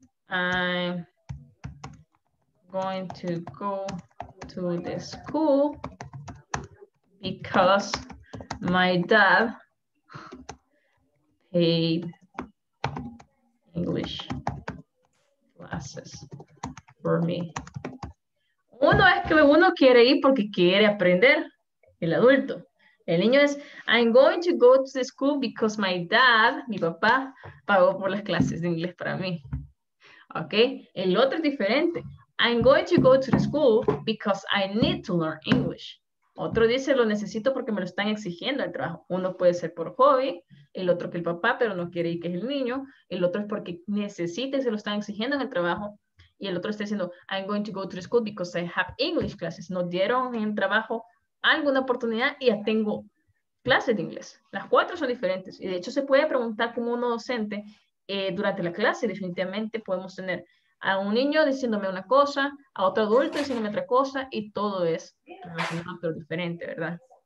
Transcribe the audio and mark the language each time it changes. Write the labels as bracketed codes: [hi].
[en] I'm going to go to the school because my dad paid English classes for me. [es] Uno es que uno quiere ir porque quiere aprender, el adulto. El niño es, [en] I'm going to go to the school because my dad, [es] mi papá, pagó por las clases de inglés para mí. Ok, el otro es diferente. [en] I'm going to go to the school because I need to learn English. [es] Otro dice, lo necesito porque me lo están exigiendo el trabajo. Uno puede ser por hobby, el otro que el papá, pero no quiere ir, que es el niño. El otro es porque necesita y se lo están exigiendo en el trabajo. Y el otro está diciendo, [en] I'm going to go to school because I have English classes. [es] Nos dieron en trabajo alguna oportunidad y ya tengo clases de inglés. Las cuatro son diferentes. Y de hecho se puede preguntar como uno docente durante la clase. Definitivamente podemos tener a un niño diciéndome una cosa, a otro adulto diciéndome otra cosa, y todo es relacionado, pero diferente, ¿verdad?